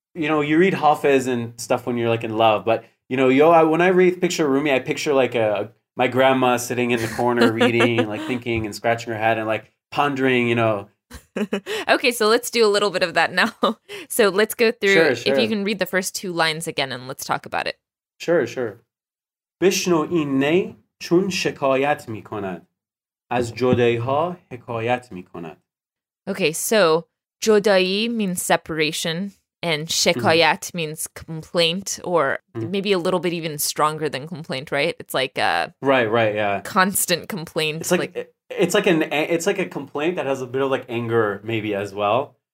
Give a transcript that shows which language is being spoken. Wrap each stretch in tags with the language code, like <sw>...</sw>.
<en>You know, you read Hafez and stuff when you're like in love, but you know, when I read picture Rumi, I picture like my grandma sitting in the corner reading, like thinking and scratching her head and like pondering, you know. Okay, so let's do a little bit of that now. So let's go through. Sure, sure. If you can read the first two lines again and let's talk about it. Sure, sure.</en> <fa>بشنو این نی چون شکایت می کند. از جدایی ها حکایت می کند.</fa> <en>Okay, so جدایی means separation and shikayat means complaint, or maybe a little bit even stronger than complaint, right? It's like a constant complaint. It's like a complaint that has a bit of like anger maybe as well.</en>